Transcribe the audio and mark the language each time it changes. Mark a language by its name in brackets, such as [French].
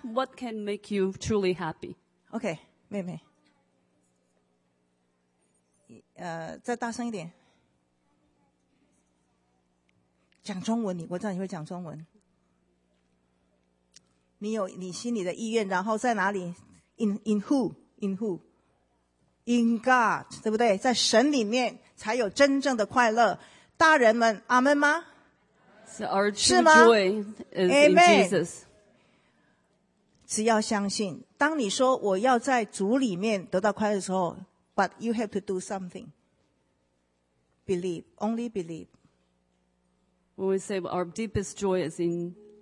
[English] What can make you truly happy? [Chinese] Okay, 妹妹，再大声一点。讲中文，我知道你会讲中文。你有你心里的意愿，然后在哪里 ？ [English] In God， [Chinese] 对不对？在神里面才有真正的快乐。大人们，阿们吗 [English] ？So our true joy is in Jesus. [Chinese] 只要相信，当你说我要在主里面得到快乐的时候 ， [English] But you have to do something. Believe, only believe. When we say our deepest joy is in